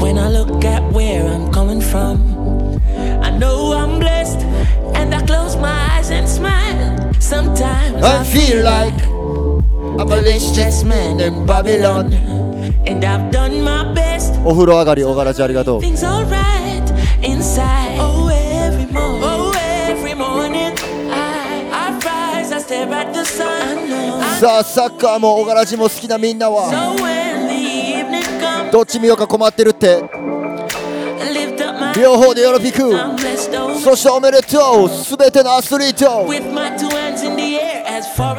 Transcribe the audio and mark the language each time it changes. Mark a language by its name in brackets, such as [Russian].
[English] When I look at where I'm coming from, I know I'm blessed. And I close my eyes and smile. Sometimes I feel like I'm a rich chess man in Babylon. And I've done my best. [Japanese] お風呂上がり、おがらじ、ありがとう。 [English] Things all right inside. Oh, every morning. Oh, every morning. I rise, I stare at the sun. [Japanese] さあ、サッカーもおがらじも好きなみんなは。 [English] So when the evening comes. [Japanese] どっち見ようか困ってるって。 [English] Lift up my. [Japanese] 両方で喜び。そしておめでとう、すべてのアスリート。 [English] With my two hands in the air as far as